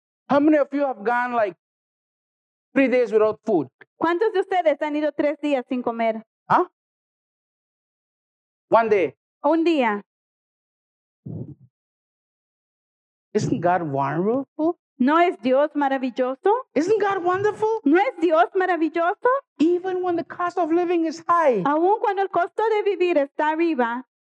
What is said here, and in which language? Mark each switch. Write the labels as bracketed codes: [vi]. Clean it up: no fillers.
[en] How many of you have gone like 3 days without food? [es] ¿Cuántos de ustedes han ido 3 días sin comer? Huh? [en] One day. [es] Un día. [en] Isn't God wonderful? [es] ¿No es Dios maravilloso? [en] Isn't God wonderful? [es] ¿No es Dios maravilloso? [en] Even when the cost of living is high. [es] Aun cuando el costo de vivir está arriba.